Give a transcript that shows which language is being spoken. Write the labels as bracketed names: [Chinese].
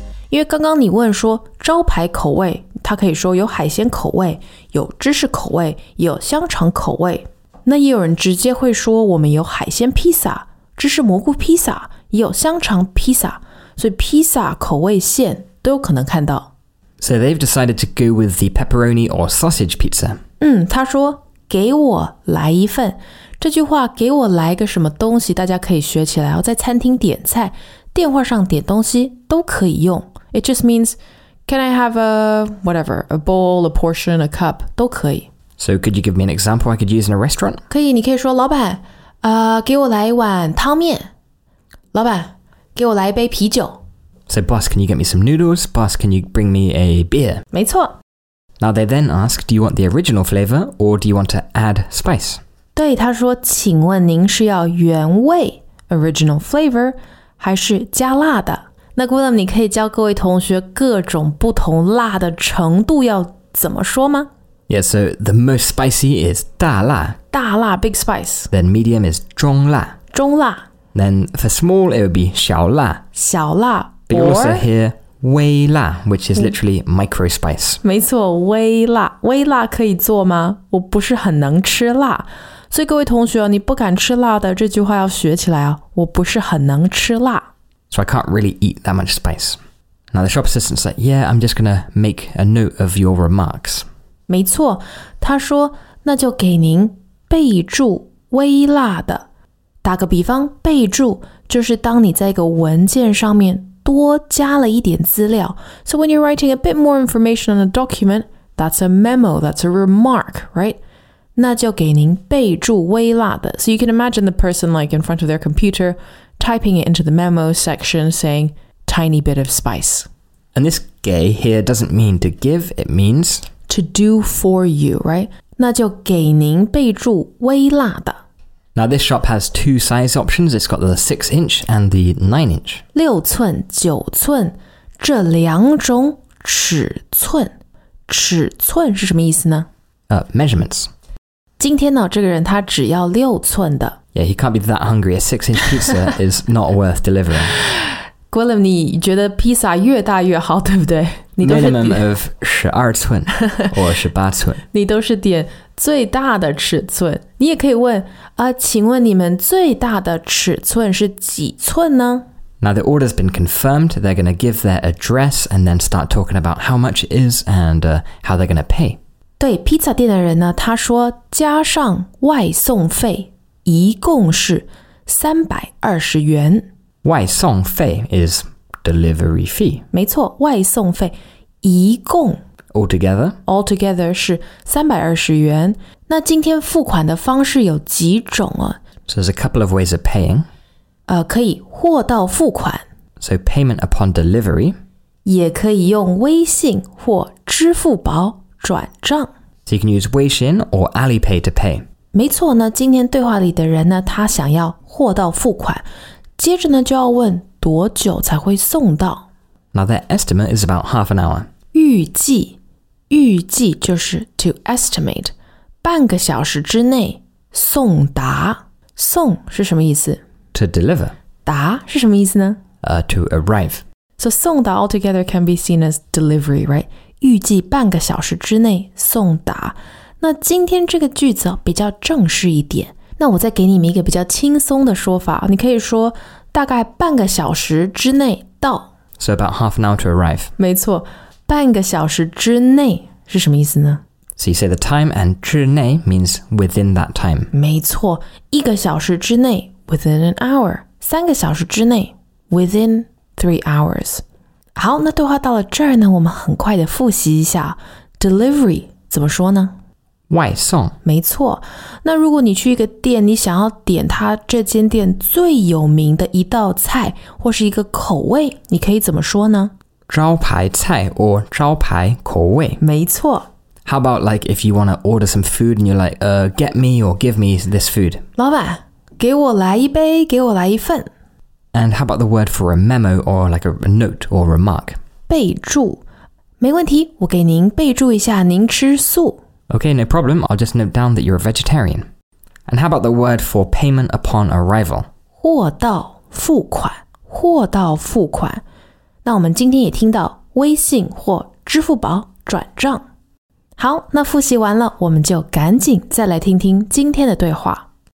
[Chinese] 因为刚刚你问说招牌口味，它可以说有海鲜口味，有芝士口味，有香肠口味。那也有人直接会说我们有海鲜披萨、芝士蘑菇披萨，也有香肠披萨。所以披萨口味馅都有可能看到。 [English] So they've decided to go with the pepperoni or sausage pizza. [Chinese] 嗯，他说给我来一份。这句话给我来个什么东西，大家可以学起来。在餐厅点菜。电话上点东西都可以用。 [English] It just means, can I have a, whatever, a bowl, a portion, a cup, [Chinese] 都可以。 [English] So could you give me an example I could use in a restaurant? [Chinese] 可以，你可以说老板，给我来一碗汤面。老板，给我来一杯啤酒。 [English] So boss, can you get me some noodles? Boss, can you bring me a beer? [Chinese] 没错。 [English] Now they then ask, do you want the original flavor or do you want to add spice? [Chinese] 对，他说，请问您是要原味 [English] original flavor? [Chinese] 还是加辣的。那 Guillaume, 你可以教各位同学各种不同辣的程度要怎么说吗? [English] Yeah, so the most spicy is 大辣。 [Chinese] 大辣, [English] big spice. Then medium is 中辣。 [Chinese] 中辣。 [English] Then for small, it would be 小辣。 [Chinese] 小辣。 [English] But you also hear 微辣, which is literally micro spice. [Chinese] 没错,微辣。微辣可以做吗?我不是很能吃辣。所以各位同学，你不敢吃辣的这句话要学起来啊！我不是很能吃辣。 [English] So I can't really eat that much spice. Now the shop assistant said, "Yeah, I'm just gonna make a note of your remarks." [Chinese] 没错，他说那就给您备注微辣的。打个比方，备注就是当你在一个文件上面多加了一点资料。 [English] So when you're writing a bit more information on a document, that's a memo, that's a remark, right? [Chinese] 那就给您备注微辣的。 [English] So you can imagine the person like in front of their computer typing it into the memo section saying tiny bit of spice. And this 给 here doesn't mean to give, it means to do for you, right? [Chinese] 那就给您备注微辣的。 [English] Now this shop has two size options. It's got the 6-inch and the 9-inch. [Chinese] 六寸、九寸这两种尺寸。尺寸是什么意思呢? [English] Measurements. [Chinese] 今天呢，这个人他只要六寸的。 [English] Yeah, he can't be that hungry. A 6-inch pizza is not worth delivering. [Chinese] Guillem, 你觉得披萨越大越好，对不对？你都是 [English] minimum of [Chinese] 12寸或18寸。你都是点最大的尺寸。你也可以问，请问你们最大的尺寸是几寸呢？ [English] Now the order's been confirmed, they're going to give their address and then start talking about how much it is and how they're going to pay. [Chinese] 对，披萨店的人呢，他说加上外送费一共是320元。 [English] 外送费 is delivery fee. [Chinese] 没错，外送费一共 [English] altogether, [Chinese] altogether 是320元。那今天付款的方式有几种啊？ [English] So there's a couple of ways of paying. [Chinese] 可以货到付款。 [English] So payment upon delivery. [Chinese] 也可以用微信或支付宝转账。 [English] So you can use Weixin or Alipay to pay. [Chinese] 没错呢，今天对话里的人呢，他想要货到付款。接着呢，就要问多久才会送到。 [English] Now that estimate is about half an hour. [Chinese] 预计就是 [English] to estimate. [Chinese] 半个小时之内送达。送是什么意思？ [English] To deliver. [Chinese] 达是什么意思呢? [English] To arrive. So 送达 altogether can be seen as delivery, right? [Chinese] 预计半个小时之内送达。那今天这个句子比较正式一点。那我再给你们一个比较轻松的说法。你可以说大概半个小时之内到。 [English] So about half an hour to arrive. [Chinese] 没错。半个小时之内是什么意思呢? [English] So you say the time and 之内 means within that time. [Chinese] 没错。一个小时之内。 [English] Within an hour, [Chinese] 三个小时之内 [English] within 3 hours. [Chinese] 好，那对话到了这儿呢，我们很快的复习一下 delivery 怎么说呢？外送。没错。那如果你去一个店，你想要点它这间店最有名的一道菜或是一个口味，你可以怎么说呢？招牌菜 or 招牌口味。没错。 [English] How about like if you want to order some food and you're like, get me or give me this food? [Chinese] 老板。给我来一杯，给我来一份。 [English] And how about the word for a memo or like a note or remark? [Chinese] 备注，没问题，我给您备注一下，您吃素。 [English] Okay, no problem. I'll just note down that you're a vegetarian. And how about the word for payment upon arrival? [Chinese] 货到付款，货到付款。那我们今天也听到微信或支付宝转账。好，那复习完了，我们就赶紧再来听听今天的对话。